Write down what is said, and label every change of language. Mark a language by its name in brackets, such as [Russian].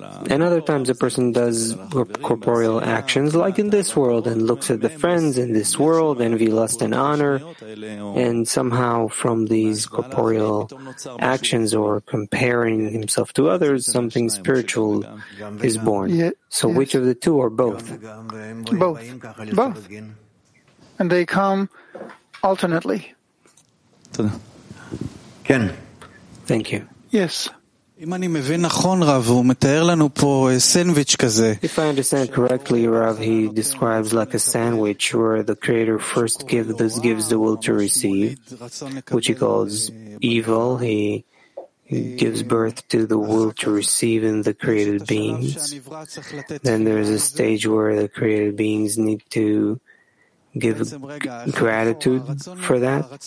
[English] And other times a person does corporeal actions, like in this world, and looks at the friends in this world, envy, lust, and honor, and somehow from these corporeal actions or comparing himself to others, something spiritual is born. So which of the two or both? Both. Both. And they come alternately. Ken. Thank you. Yes. [Hebrew] אם אני מבין נכון, רב, הוא מתאר לנו פה סנדוויץ' כזה. [English] If I understand correctly, Rav, he describes like a sandwich where the Creator first gives the will to receive, which he calls evil. He gives birth to the will to receive in the created beings. Then there is a stage where the created beings need to give gratitude for that.